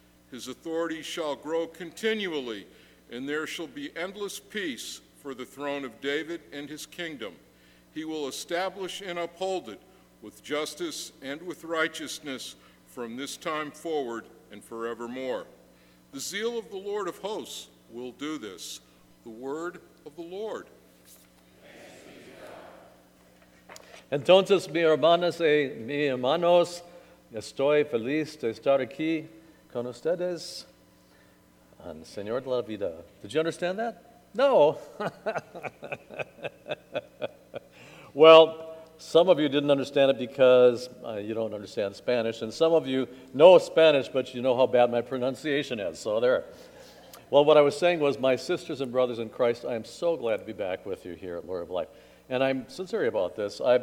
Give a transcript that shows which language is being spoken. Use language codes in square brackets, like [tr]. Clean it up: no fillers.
[en] His authority shall grow continually, and there shall be endless peace for the throne of David and his kingdom. He will establish and uphold it with justice and with righteousness from this time forward and forevermore. The zeal of the Lord of hosts will do this. The word of the Lord. [es] Entonces, mi hermanas y mi hermanos, estoy feliz de estar aquí con ustedes. And Señor de la vida. [en] Did you understand that? No. Well, some of you didn't understand it because you don't understand Spanish, and some of you know Spanish, but you know how bad my pronunciation is, so there. Well, what I was saying was, my sisters and brothers in Christ, I am so glad to be back with you here at Lord of Life, and I'm sincere about this.